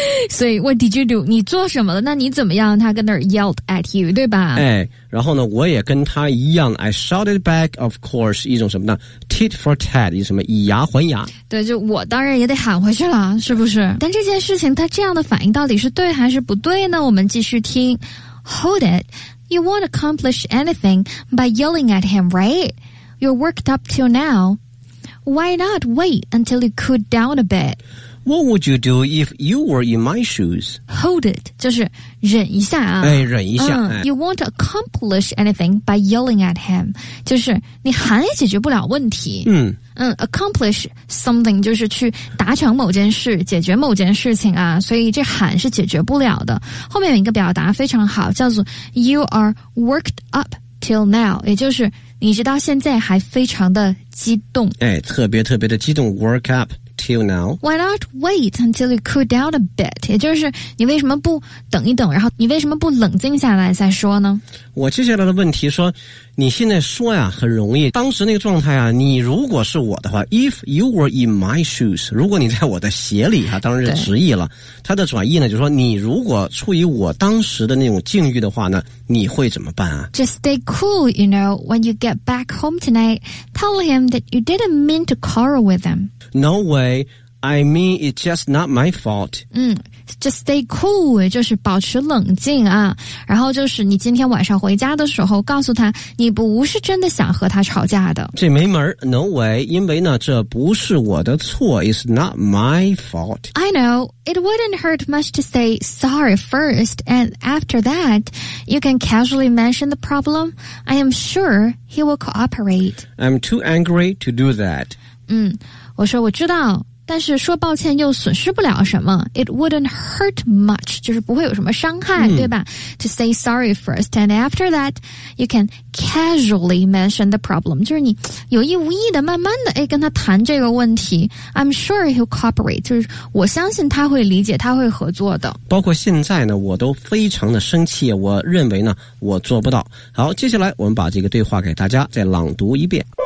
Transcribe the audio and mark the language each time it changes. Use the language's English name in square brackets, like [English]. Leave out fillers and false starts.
[Chinese] 所以 [English] what did you do? [Chinese] 你做什么了？那你怎么样？他跟那儿 [English] yelled at you, [Chinese] 对吧？哎，然后呢，我也跟他一样 ， [English] I shouted back, of course. [Chinese] 一种什么呢 ？ [English] Tit for tat, [Chinese] 一什么以牙还牙。对，就我当然也得喊回去了。是不是？但这件事情他这样的反应到底是对还是不对呢？我们继续听。 [English] Hold it. You won't accomplish anything by yelling at him, right? You're worked up till now. Why not wait until you cool down a bit? What would you do if you were in my shoes? Hold it, [Chinese] 就是忍一下啊。哎，忍一下。 [English] You won't accomplish anything by yelling at him. [Chinese] 就是你喊也解决不了问题。 Accomplish something 就是去达成某件事，解决某件事情啊。所以这喊是解决不了的。后面有一个表达非常好，叫做 [English] You are worked up till now. [Chinese] 也就是你直到现在还非常的激动。哎，特别特别的激动 , [English] work up. Till now. Why not wait until you cool down a bit? [Chinese] 也就是你为什么不等一等，然后你为什么不冷静下来再说呢？我接下来的问题说，你现在说呀很容易，当时那个状态啊，你如果是我的话 ， [English] If you were in my shoes， [Chinese] 如果你在我的鞋里啊，当然是直译了。它的转译呢，就是说你如果处于我当时的那种境遇的话呢，你会怎么办啊 [English] ？Just stay cool, you know. When you get back home tonight, tell him that you didn't mean to quarrel with him. No way. I mean, it's just not my fault. Just stay cool, [Chinese] 就是保持冷静啊。然后就是你今天晚上回家的时候告诉他你不是真的想和他吵架的。这没门 [English] No way. [Chinese] 因为呢这不是我的错 [English] It's not my fault. I know. It wouldn't hurt much to say sorry first. And after that, you can casually mention the problem. I am sure he will cooperate. I'm too angry to do that. [Chinese] 我说我知道，但是说抱歉又损失不了什么。 [English] It wouldn't hurt much, [Chinese] 就是不会有什么伤害，对吧？ [English] To say sorry first, and after that, you can casually mention the problem. [Chinese] 就是你有意无意的慢慢的跟他谈这个问题。 [English] I'm sure he'll cooperate, [Chinese] 就是我相信他会理解，他会合作的。包括现在呢，我都非常的生气，我认为呢，我做不到。好，接下来我们把这个对话给大家再朗读一遍。